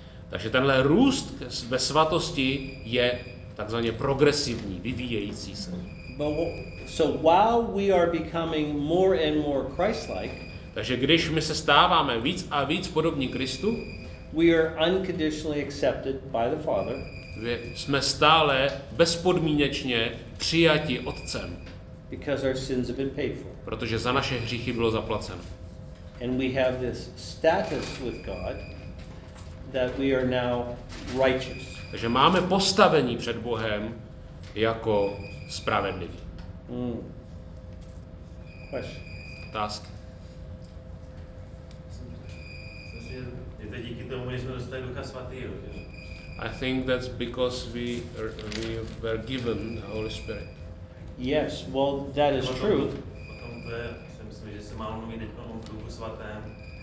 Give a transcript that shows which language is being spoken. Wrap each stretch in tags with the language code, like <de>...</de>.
<cs>Takže tenhle růst ve svatosti je takzvaně progresivní, vyvíjející se.</cs> <en>So while we are becoming more and more Christ-like,</en> <cs>takže když my se stáváme víc a víc podobní Kristu,</cs> <en>we are unconditionally accepted by the Father.</en> <cs>My jsme stále bezpodmínečně přijati Otcem.</cs> <en>Because our sins have been paid for.</en> <cs>Protože za naše hříchy bylo zaplaceno.</cs> <en>And we have this status with God that we are now righteous.</en> <cs>Takže máme postavení před Bohem jako spravedliví. Otázka. Je to díky tomu, že jsme dostali Ducha svatýho.</cs> <en>I think that's because we were given the Holy Spirit. Yes, well, that is true.</en> <cs>Potom to je, si myslím, že se máme mluvit teď o Duchu svatém.</cs>